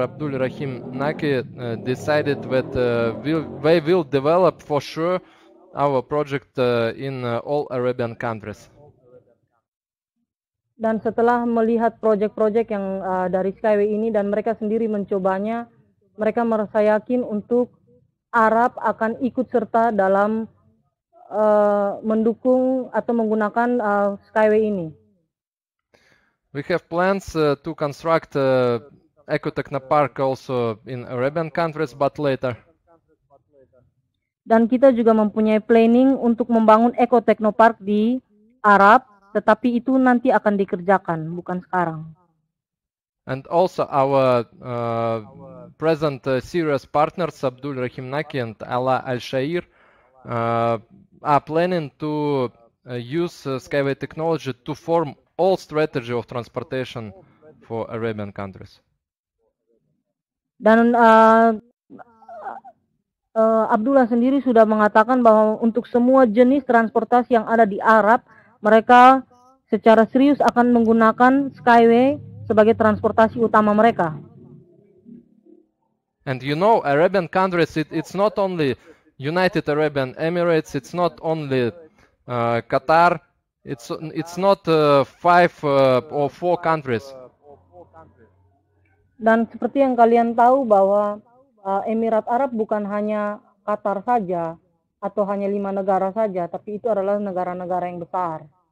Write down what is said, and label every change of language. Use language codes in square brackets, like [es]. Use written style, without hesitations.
[en] Abdul Rahim Naki decided that they will develop for sure our project in all Arabian countries. [id] Dan setelah melihat proyek-proyek yang dari Skyway ini dan mereka sendiri mencobanya, mereka merasa yakin untuk Arab akan ikut serta dalam mendukung atau menggunakan Skyway ini. [en] We have plans to construct Eco Technopark also in Arabian countries, but later. [id] Dan kita juga mempunyai planning untuk membangun Eco Technopark di Arab, tetapi itu nanti akan dikerjakan, bukan sekarang. [en] And also our present serious partners Abdul Rahim Naki and Ala Al Shair are planning to use Skyway technology to form all strategy of transportation for Arabian countries. [id] Dan Abdullah sendiri sudah mengatakan bahwa untuk semua jenis transportasi yang ada di Arab, mereka secara serius akan menggunakan Skyway sebagai transportasi utama mereka. [en] And you know, Arabian countries, it's not only United Arab Emirates, it's not only Qatar, it's not five or four countries. [id] Dan seperti yang kalian tahu bahwa Emirat Arab bukan hanya Qatar saja atau hanya lima negara saja, tapi itu adalah negara-negara yang besar.